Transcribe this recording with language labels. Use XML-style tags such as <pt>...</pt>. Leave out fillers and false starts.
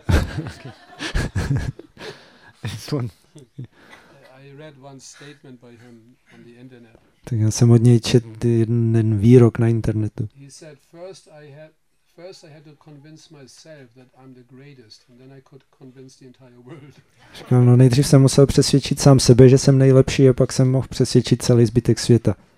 <en>I read one statement by him on the internet.</en> <cs>Tak já jsem od něj četl jeden výrok na internetu.</cs> <en>He said, first I had, First I had to convince myself that I'm the greatest and then I could convince the entire world.</en> <cs>Říkal, no nejdřív jsem musel přesvědčit sám sebe, že jsem nejlepší a pak jsem mohl přesvědčit celý zbytek světa.</cs>